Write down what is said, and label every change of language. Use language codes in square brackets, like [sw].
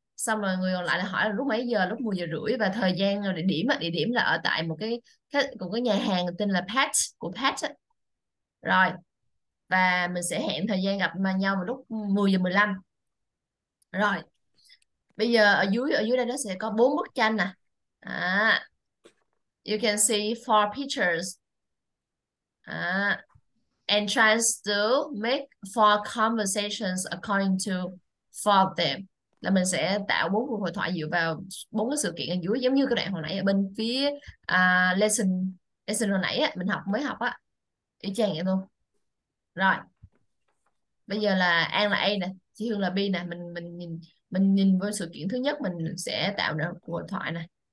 [vi] Xong rồi người còn lại là hỏi là lúc mấy giờ, lúc 10 giờ rưỡi và thời gian rồi địa điểm là ở tại một cái nhà hàng tên là Pat của Pat á. Rồi. Và mình sẽ hẹn thời gian gặp mà nhau vào lúc 10 giờ 15. Rồi. Bây giờ ở dưới đây nó sẽ có bốn bức tranh nè. À. [en] You can see four pictures. And tries to make four conversations according to four of them. [vi] Là mình sẽ tạo bốn cuộc hội thoại dựa vào bốn cái sự kiện ở dưới, giống như cái đoạn hồi nãy ở bên phía lesson hồi nãy á, mình học mới học á. Y chang vậy luôn. Rồi. Bây giờ là An là A nè, chị Hương là B nè, mình nhìn vào sự kiện thứ nhất, mình sẽ tạo ra cuộc hội thoại nè.